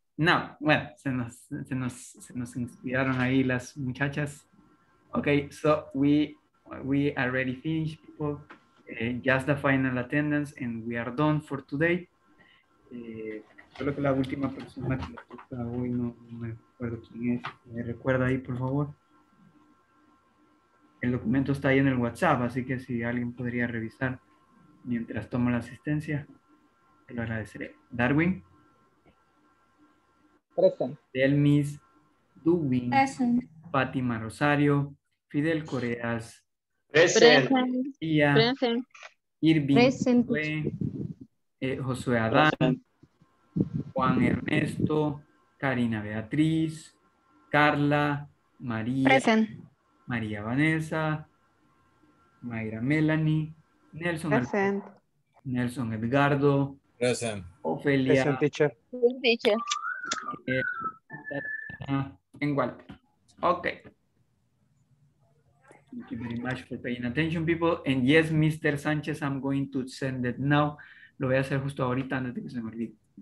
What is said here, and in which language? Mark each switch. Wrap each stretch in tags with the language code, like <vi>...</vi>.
<es>No, bueno, se nos inspiraron ahí las muchachas.</es> <en>Okay, so we already finished, people. Just the final attendance and we are done for today.</en> <es>Solo que la última persona que le gusta hoy, no me acuerdo quién es. ¿Me recuerda ahí, por favor? El documento está ahí en el WhatsApp, así que si alguien podría revisar mientras tomo la asistencia, te lo agradeceré. Darwin.</es> <en>Present.</en> <es>Delmis, Dubin,</es> <en>present.</en> <es>Fátima Rosario, Fidel Coreas,</es> <en>present.</en> <es>Tía,</es> <en>present.</en> <es>Irving,</es> <en>present.</en> <es>Josué Adán, present. Juan Ernesto, Karina Beatriz, Carla, María,</es> <en>present.</en> <es>María Vanessa, Mayra Melanie, Nelson,</es> <en>present.</en> <es>Nelson Edgardo,</es> <en>present.</en> <es>Ofelia,</es> <en>present teacher. Present teacher.</en> <es>En Walter. Okay.</es> <en>Thank you very much for paying attention, people. And yes, Mr. Sanchez, I'm going to send it now.</en> <es>Lo voy a hacer justo ahorita antes de que se me olvide.</es>